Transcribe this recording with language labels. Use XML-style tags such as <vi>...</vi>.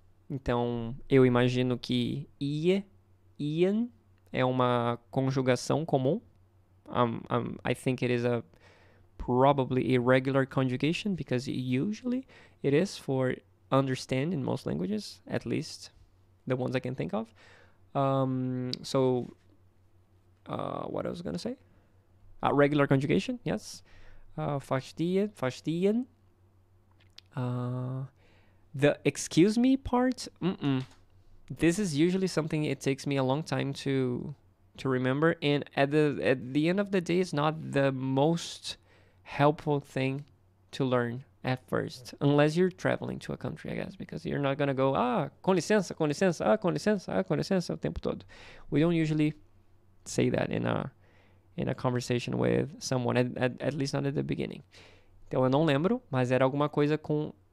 <pt>Então, eu imagino que ihr é uma conjugação comum.</pt> <en>I think it is a probably irregular conjugation, because usually it is for understand in most languages, at least the ones I can think of. What I was going to say? A regular conjugation, yes. Verstehen. The excuse me part, this is usually something it takes me a long time to remember, and at the end of the day, it's not the most helpful thing to learn at first, unless you're traveling to a country, I guess, because you're not gonna go,</en> <pt>con licença, o tempo todo.</pt> <en>We don't usually say that in a conversation with someone, at least not at the beginning.</en> <pt>Então, eu não lembro, mas era alguma coisa com...</pt>